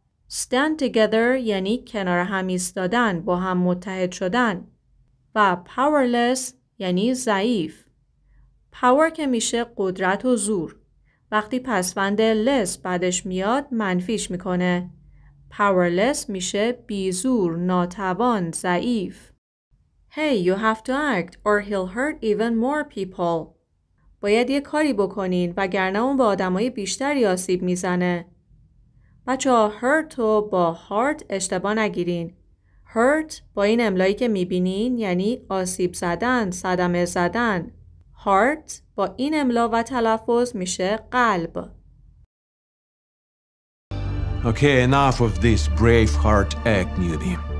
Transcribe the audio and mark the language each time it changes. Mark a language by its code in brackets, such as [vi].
[fa] Stand together یعنی کنار هم ایستادن، با هم متحد شدن. و powerless یعنی ضعیف. Power که میشه قدرت و زور. وقتی پسوند less بعدش میاد منفیش میکنه. Powerless میشه بیزور، ناتوان، ضعیف. [en] Hey, you have to act or he'll hurt even more people. [fa] باید یه کاری بکنین وگرنه اون به آدمای بیشتری آسیب میزنه. بچه ها hurt رو با heart اشتباه نگیرین. Hurt با این املایی که میبینین یعنی آسیب زدن، صدمه زدن. Heart با این املا و تلفظ میشه قلب. [en] Okay, enough of this brave heart act, newbie.